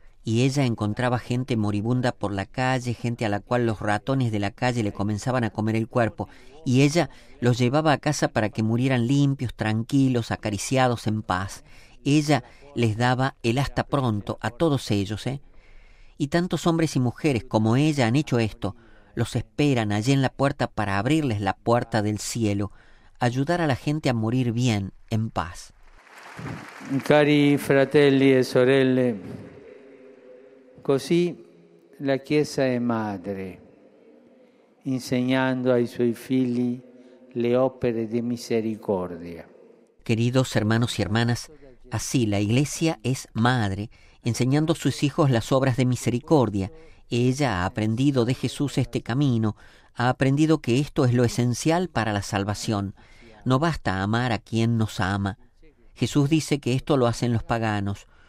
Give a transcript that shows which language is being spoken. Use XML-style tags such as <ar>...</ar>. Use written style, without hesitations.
<es>Y ella encontraba gente moribunda por la calle, gente a la cual los ratones de la calle le comenzaban a comer el cuerpo, y ella los llevaba a casa para que murieran limpios, tranquilos, acariciados, en paz. Ella les daba el hasta pronto a todos ellos, ¿eh? Y tantos hombres y mujeres como ella han hecho esto. Los esperan allí en la puerta para abrirles la puerta del cielo, ayudar a la gente a morir bien, en paz.</es> <it>Cari fratelli e sorelle, così la Chiesa è madre, insegnando ai suoi figli le opere di misericordia.</it> <es>Queridos hermanos y hermanas, así la Iglesia es madre, enseñando a sus hijos las obras de misericordia. Ella ha aprendido de Jesús este camino, ha aprendido que esto es lo esencial para la salvación. No basta amar a quien nos ama. Jesús dice que esto lo hacen los paganos.</es>